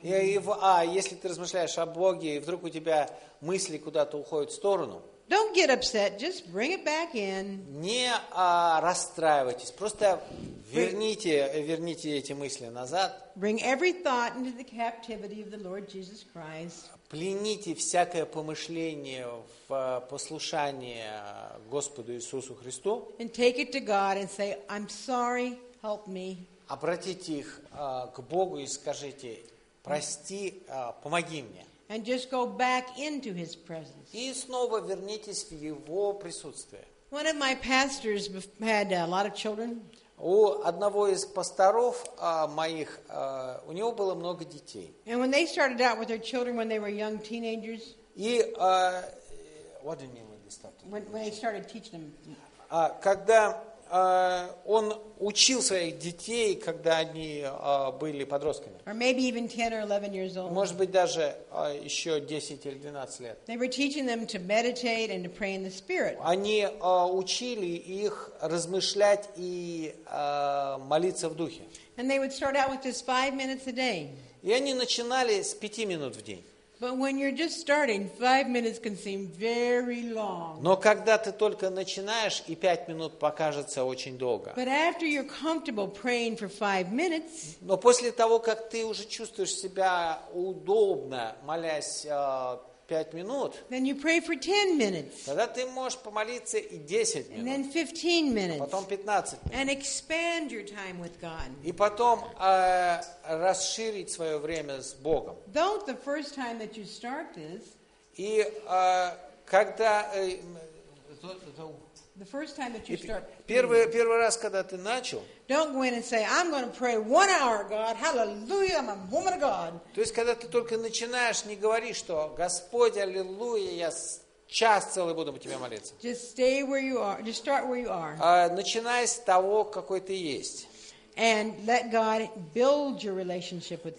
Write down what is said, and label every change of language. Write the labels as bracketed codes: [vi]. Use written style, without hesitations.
[ru] Если ты размышляешь о Боге и вдруг у тебя мысли куда-то уходят в сторону. [en] Don't get upset, just bring it back in. [ru] Не расстраивайтесь, просто верните эти мысли назад. [en] Bring every thought into the captivity of the Lord Jesus Christ. [ru] Плените всякое помышление в послушание Господу Иисусу Христу. [en] And take it to God and say, I'm sorry, help me. [ru] Обратите их к Богу и скажите, прости, помоги мне. [en] And just go back into His presence. [ru] И снова вернитесь в Его присутствие. [en] One of my pastors had a lot of children. [ru] У одного из пасторов моих у него было много детей. [en] And when they started out with their children when they were young teenagers. И what do you mean when they started? When they started teaching them. [ru] Когда он учил своих детей, когда они были подростками. [en] Or maybe even 10 or 11 years old. [ru] Может быть, даже еще 10 или 12 лет. [en] They were teaching them to meditate and to pray in the Spirit. [ru] Они учили их размышлять и молиться в Духе. [en] And they would start out with just 5 minutes a day. [ru] И они начинали с 5 минут в день. [en] But when you're just starting, 5 minutes can seem very long. [ru] Но когда ты только начинаешь, и 5 минут покажется очень долго. [en] But after you're comfortable praying for 5 minutes. [ru] Но после того, как ты уже чувствуешь себя удобно, молясь 5 минут. [en] Then you pray for 10 minutes. [ru] Тогда ты можешь помолиться и 10 минут. [en] And then 15 minutes. [ru] Потом 15 минут. [en] And expand your time with God. [ru] И потом расширить свое время с Богом. [en] Don't the first time that you start this. [ru] И когда [en] the first time that you start. [ru] Первый раз, когда ты начал. [en] Don't go in and say, I'm going to pray 1 hour, God. Hallelujah, I'm a woman of God. [ru] То есть, когда ты только начинаешь, не говори, что Господь, аллилуйя, я час целый буду по тебе молиться. [en] Just stay where you are. Just start where you are. [ru] Начинай с того, какой ты есть. [en] And let God build your relationship with Him.